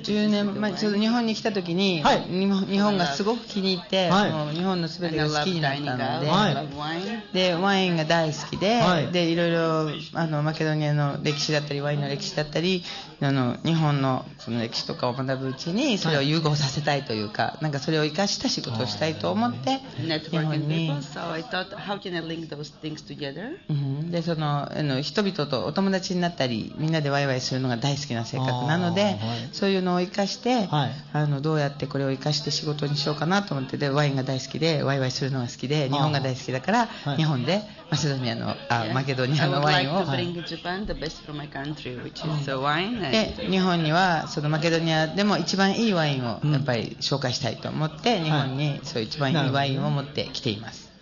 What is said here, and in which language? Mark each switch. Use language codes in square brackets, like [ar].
[ja] 10年前、ちょうど日本に来た時に、はい、日本がすごく気に入って、はい、日本の全てが好きになったので、はい、でワインが大好きで、はい、でいろいろマケドニアの歴史だったりワインの歴史だったり日本のその歴史とかを学ぶうちにそれを融合させたいというか、はい、なんかそれを生かした仕事をしたいと思って、はい、日本に。 [en] So I thought, how can I link those things together? [ja] でその人々とお友達になったりみんなでワイワイするのが大好きな性格なので、はい、そういうのを生かして、はい、どうやってこれを生かして仕事にしようかなと思って、でワインが大好きでワイワイするのが好きで日本が大好きだから、はい、日本でマセドニアの、あ、マケドニアのワインを、で日本にはそのマケドニアでも一番いいワインをやっぱり紹介したいと思って、うん、日本にそう一番いいワインを持ってきています。